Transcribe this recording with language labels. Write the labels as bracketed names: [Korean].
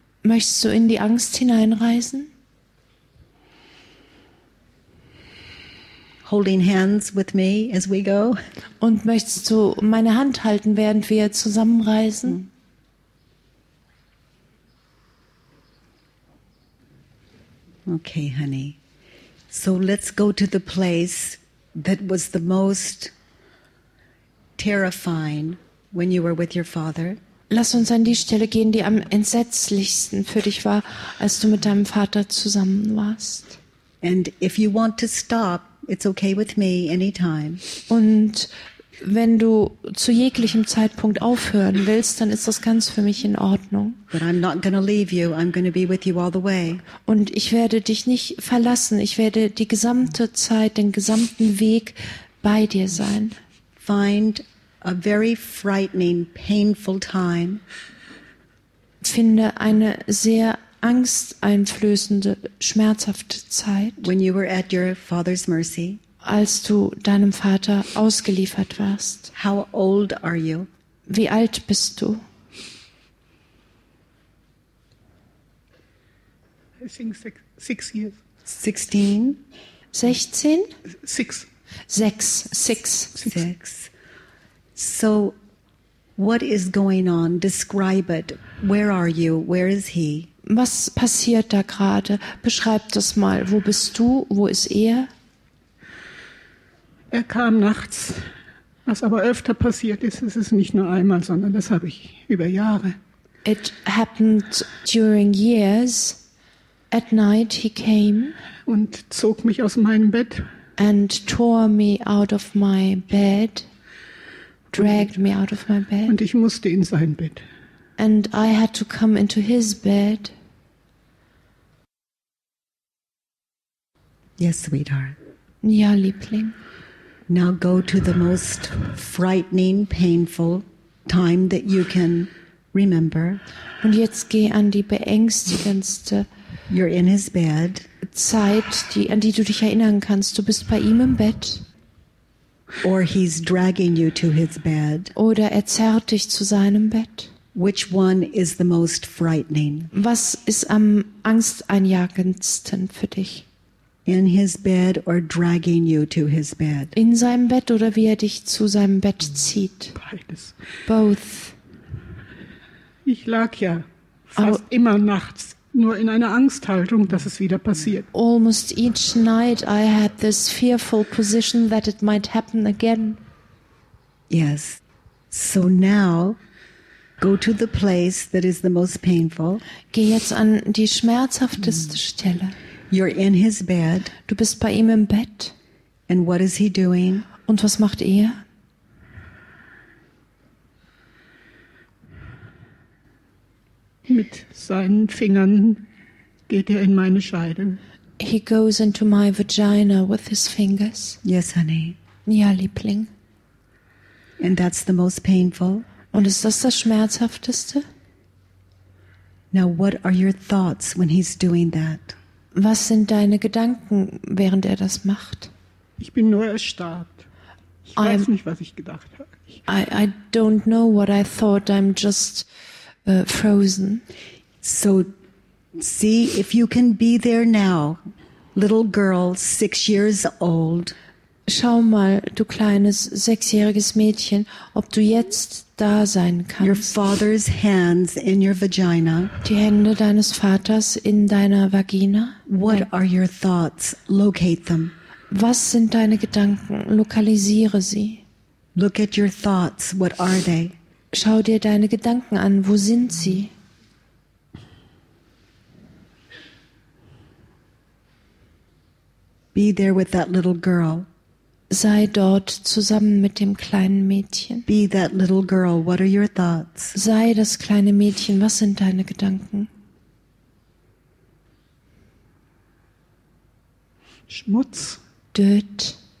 [German] Möchtest du in die Angst hineinreisen? [English] Holding hands with me as we go? [German] Und möchtest du meine Hand halten, während wir zusammenreisen? [English] Okay, honey. So, let's go to the place that was the most terrifying when you were with your father. [German] Lass uns an die Stelle gehen, die am entsetzlichsten für dich war, als du mit deinem Vater zusammen warst. [English] And if you want to stop, it's okay with me anytime. [German] Und wenn du zu jeglichem Zeitpunkt aufhören willst, dann ist das ganz für mich in Ordnung. [English] But I'm not going to leave you. I'm going to be with you all the way. [German] Und ich werde dich nicht verlassen. Ich werde die gesamte Zeit, den gesamten Weg bei dir sein. [English] Find a very frightening, painful time. [German] Finde eine sehr angsteinflößende, schmerzhafte Zeit. [English] When you were at your father's mercy. [German] Als du deinem Vater ausgeliefert warst. [English] How old are you? [German] Wie alt bist du? [English] I think six years. 16? 16? Six. So, what is going on? Describe it. Where are you? Where is he? [German] Was passiert da gerade? Beschreib das mal. Wo bist du? Wo ist er? Er kam nachts. Was aber öfter passiert ist, es ist nicht nur einmal, sondern das habe ich über Jahre. [English] It happened during years. At night he came [German] und zog mich aus meinem Bett [English] and tore me out of my bed, dragged me out of my bed. [German] Und ich musste in sein Bett. [English] And I had to come into his bed. Yes, sweetheart. [German] Ja, Liebling. [English] Now go to the most frightening, painful time that you can remember. [German] Und jetzt geh an die beängstigendste. [English] You're in his bed. [German] Zeit, an die du dich erinnern kannst. Du bist bei ihm im Bett. [English] Or he's dragging you to his bed. [German] Oder er zerrt dich zu seinem Bett. [English] Which one is the most frightening? [German] Was ist am angsteinjagendsten für dich? [English] In his bed or dragging you to his bed? [German] In seinem Bett oder wie er dich zu seinem Bett zieht? Beides. [English] Both. [German] Ich lag ja fast immer nachts. Nur in einer Angsthaltung, dass es wieder passiert. [English] Almost each night I had this fearful position that it might happen again. Yes. So now, go to the place that is the most painful. [German] Geh jetzt an die schmerzhafteste Stelle. [English] You're in his bed. [German] Du bist bei ihm im Bett. [English] And what is he doing? [German] Und was macht er? Mit seinen Fingern geht er in meine Scheide. [English] He goes into my vagina with his fingers. Yes, honey. [German] Ja, Liebling. [English] And that's the most painful. [German] Und ist das Schmerzhafteste? [English] Now, what are your thoughts when he's doing that? [German] Was sind deine Gedanken, während er das macht? Ich bin nur erstarrt. Ich weiß nicht, was ich gedacht habe. [English] I don't know what I thought. I'm just frozen. So, see if you can be there now, little girl, 6 years old. [German] Schau mal, du kleines sechsjähriges Mädchen, ob du jetzt da sein kannst. [English] Your father's hands in your vagina. [German] Die Hände deines Vaters in deiner Vagina. [English] What are your thoughts? Locate them. [German] Was sind deine Gedanken? Lokalisiere sie. [English] Look at your thoughts. What are they? [German] Schau dir deine Gedanken an. Wo sind sie? [English] Be there with that little girl. [German] Sei dort zusammen mit dem kleinen Mädchen. [English] Be that little girl. What are your thoughts? [German] Sei das kleine Mädchen. Was sind deine Gedanken? Schmutz. [English] Dirt.